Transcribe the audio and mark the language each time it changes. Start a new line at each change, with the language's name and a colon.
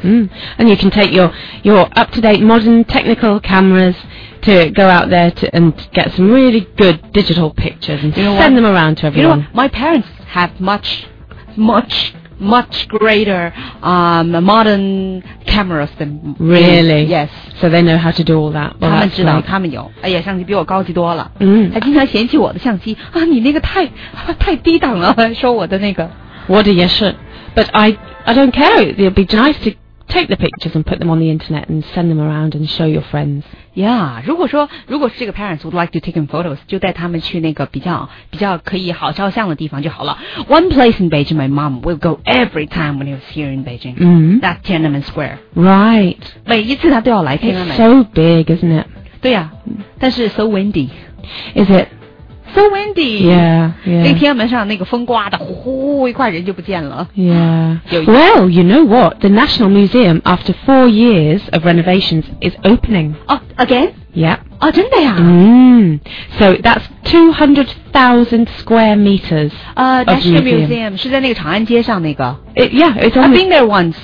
English: And you can take your up-to-date modern technical cameras to go out there and get some really good digital pictures and send them around to everyone. You know what? My parents have much, much, much greater modern cameras than me. Really? Yes. So they know how to do all that. Well,
Chinese: 他们知道，他们有。哎呀，相机比我高级多了。他经常嫌弃我的相机啊，你那个太低档了，说我的那个。
English: What a yes, but I don't care. It'll be nice to take the pictures and put them on the internet and send them around and show your friends.
Chinese: Yeah, 如果这个
English: parents would like to take some photos,
Chinese: 就带他们去那个比较可以好照相的地方就好了。
English: One place in Beijing, my mom will go every time when he was here in Beijing. That Tiananmen Square. Right.
Chinese: 每一次他都要来 Tiananmen.
English: It's so big, isn't it?
Chinese: 对呀，但是
English: so windy. Is it? So windy. Yeah.
Chinese: 那天安门上那个风刮的，呼一块人就不见了。
English: Yeah. Well, you know what? The National Museum, after 4 years of renovations, is opening. Oh, again? Yeah.
Chinese: Oh, 真的呀？
English: So that's 200,000 square meters.
Chinese: National Museum 是在那个长安街上那个。
English: It's only, I've been there once.